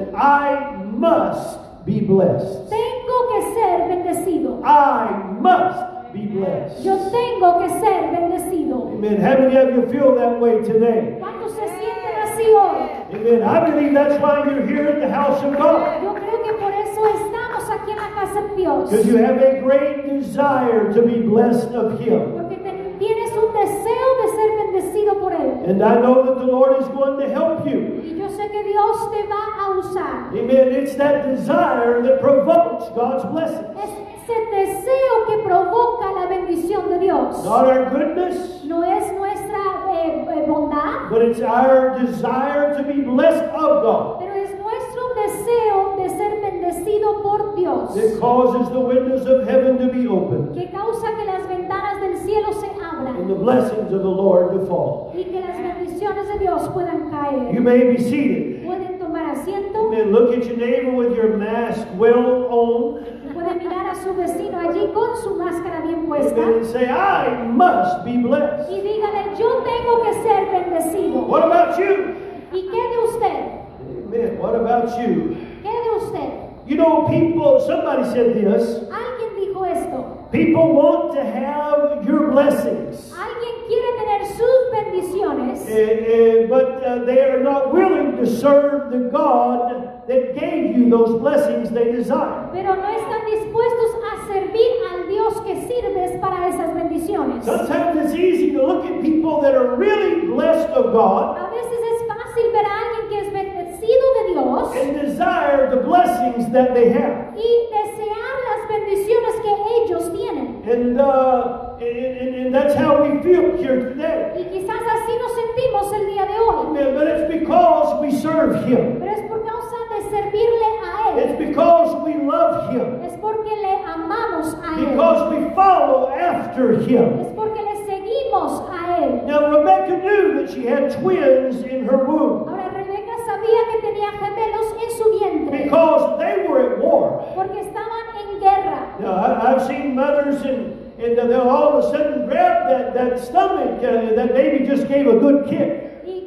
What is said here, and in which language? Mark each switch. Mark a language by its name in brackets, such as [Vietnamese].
[English] Amen. I must be blessed. [Spanish] Tengo que ser bendecido. [English] I must be blessed. [Spanish] Yo tengo que ser bendecido. [English] Amen. How many of you feel that way today? [Spanish] ¿Cuántos se sienten así hoy? [English] Amen. I believe that's why you're here at the house of God. [Spanish] Yo creo que por eso estamos aquí en la casa de Dios. [English] Because you have a great desire to be blessed of Him. [Spanish] Tienes un deseo de ser bendecido por él. [English] And I know that the Lord is going to help you. [Spanish] Y yo sé que Dios te va a usar. [English] Amen. It's that desire that provokes God's blessings. [Spanish] Es ese deseo que provoca la bendición de Dios. [English] Not our goodness. [Spanish] No es nuestra bondad. [English] But it's our desire to be blessed of God. [Spanish] Pero es nuestro deseo de ser bendecido por Dios. [English] It causes the windows of heaven to be open. [Spanish] Que causa que las ventanas del cielo se [English] and the blessings of the Lord to fall. [Spanish] Y que las bendiciones de Dios puedan caer. [English] You may be seated. [Spanish] Pueden tomar asiento. [English] Amen. Look at your neighbor with your mask well on. [Spanish] Pueden mirar a su vecino allí con su máscara bien puesta. [English] And say, I must be blessed. [Spanish] Y dígale, yo tengo que ser bendecido. [English] What about you? [Spanish] ¿Y qué de usted? [English] Amen. What about you? [Spanish] ¿Qué de usted? [English] You know, people, somebody said this. [Spanish] Alguien dijo esto. [English] People want to have your blessings. [Spanish] Alguien quiere tener sus bendiciones. [English] They are not willing to serve the God that gave you those blessings they desire. [Spanish] Pero no están dispuestos a servir al Dios que sirves para esas bendiciones. [English] Sometimes it's easy to look at people that are really blessed of God. [Spanish] A veces es fácil ver a alguien que es bendecido de Dios. [English] And desire the blessings that they have. [Spanish] Y desear las bendiciones que ellos tienen. [English] And that's how we feel here today. [Spanish] Y quizás así nos sentimos el día de hoy. [English] Amen. But it's because we serve Him. [Spanish] Pero es por causa de servirle a Él. [English] It's because we love Him. [Spanish] Es porque le amamos a Él. [English] Because we follow after Him. [Spanish] Es porque le seguimos a Él. [English] Now Rebecca knew that she had twins in her womb. [Spanish] Ahora Rebeca sabía que tenía gemelos en su vientre. [English] Because they were at war. [Spanish] Porque estaban en guerra. [English] I've seen mothers and they'll all of a sudden grab that stomach that baby just gave a good kick.